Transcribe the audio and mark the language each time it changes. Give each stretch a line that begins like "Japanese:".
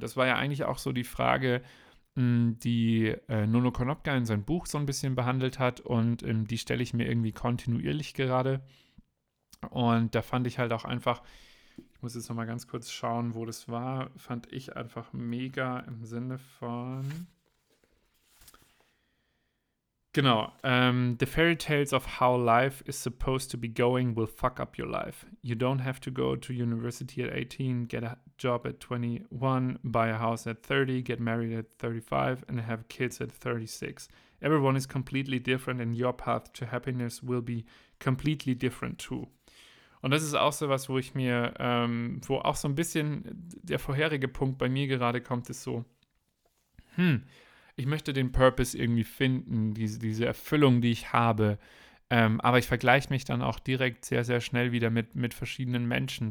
German: Das war ja eigentlich auch so die Frage, die Nono Konopka in seinem Buch so ein bisschen behandelt hat und die stelle ich mir irgendwie kontinuierlich gerade. Und da fand ich halt auch einfach, ich muss jetzt noch mal ganz kurz schauen, wo das war, fand ich einfach mega im Sinne von. Genau,
English: the fairy tales of how life is supposed to be going will fuck up your life. You don't have to go to university at 18, get a job at 21, buy a house at 30, get married at 35 and have kids at 36. Everyone is completely different and your path to happiness will be completely different too.
German: Und das ist auch so was, wo ich mir, wo auch so ein bisschen der vorherige Punkt bei mir gerade kommt, ist so, ich möchte den Purpose irgendwie finden, diese Erfüllung, die ich habe. Aber ich vergleiche mich dann auch direkt sehr, sehr schnell wieder mit verschiedenen Menschen.